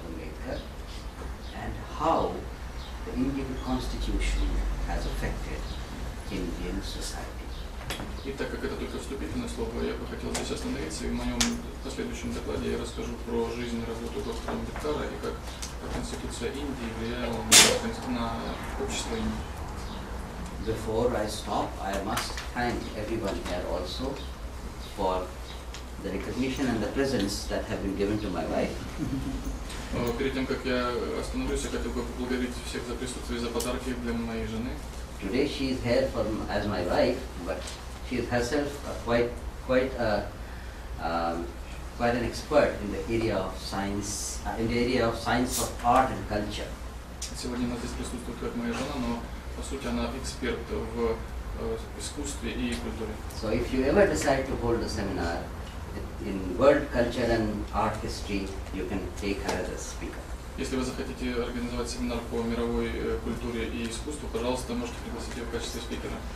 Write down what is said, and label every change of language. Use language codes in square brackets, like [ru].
[en] Ambedkar and how the Indian Constitution has affected Indian society. [ru] И так как это только вступительное слово, я бы хотел здесь остановиться, и в моем последующем докладе я расскажу про жизнь и работу доктора Амбедкара и как Конституция Индии влияла на общество Индии. [en] Before I stop, I must thank everyone here also for the recognition and the presents that have been given to my wife. [ru] Перед тем, как я остановлюсь, я хотел бы поблагодарить всех за присутствие и за подарки для моей жены. [en] Today she is here for as my wife, but she is herself quite an expert in the area of science, in the area of science of art and culture. [ru] Сегодня она здесь присутствует как моя жена, но по сути она эксперт в искусстве и культуре. [en] So if you ever decide to hold a seminar in world culture and art history, you can take her as a speaker. [ru] Если вы захотите организовать семинар по мировой культуре и искусству, пожалуйста, можете пригласить ее в качестве спикера.